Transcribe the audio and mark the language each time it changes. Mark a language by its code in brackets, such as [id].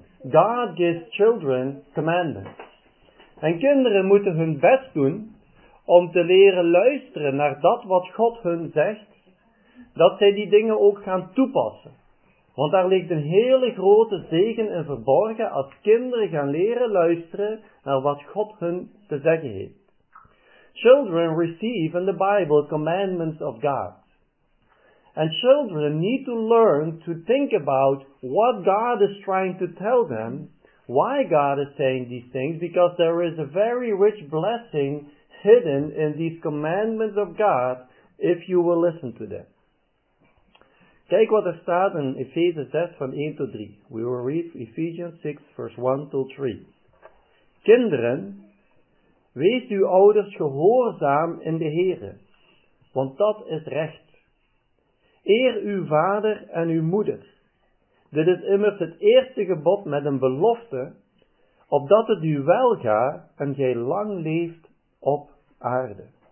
[en] God gives children commandments. [nl] En kinderen moeten hun best doen om te leren luisteren naar dat wat God hun zegt, dat zij die dingen ook gaan toepassen. Want daar ligt een hele grote zegen in verborgen als kinderen gaan leren luisteren naar wat God hun te zeggen heeft. [en] Children receive in the Bible commandments of God. And children need to learn to think about what God is trying to tell them, why God is saying these things, because there is a very rich blessing hidden in these commandments of God, if you will listen to them. [nl] Kijk wat er staat in Ephesians 6 van 1 tot 3. [en] We will read Ephesians 6 verse 1 to 3. [nl] Kinderen, wees uw ouders gehoorzaam in de Heere, want dat is recht. Eer uw vader en uw moeder. Dit is immers het eerste gebod met een belofte, opdat het u wel gaat en gij lang leeft op aarde.